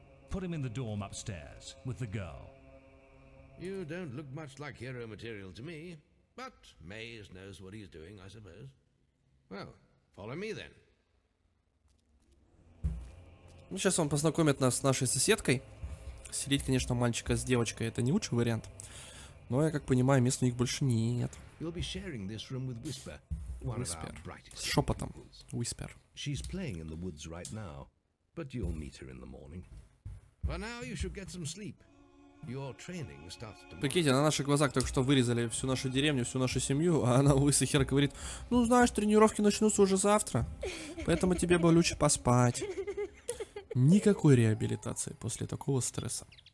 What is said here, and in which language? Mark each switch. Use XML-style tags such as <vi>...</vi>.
<en>Put him in the dorm upstairs with the girl. You don't look much like hero material to me, but Maze knows what he's doing, I suppose. Well, follow me then.</en> <ru>Ну, сейчас он познакомит нас с нашей соседкой. Селить, конечно, мальчика с девочкой это не лучший вариант. Но я как понимаю, мест у них больше нет.</ru> <en>You'll be sharing this room with Whisper, one of our brightest.</en> <ru>Шепотом. Whisper.</ru> <en>She's playing in the woods right now, but you'll meet her in the morning. For now you should get some sleep. Your training starts tomorrow.</en> <ru>Прикиньте, на наших глазах только что вырезали всю нашу деревню, всю нашу семью, а она лысый хер говорит: ну знаешь, тренировки начнутся уже завтра. Поэтому тебе бы лучше поспать. Никакой реабилитации после такого стресса.</ru>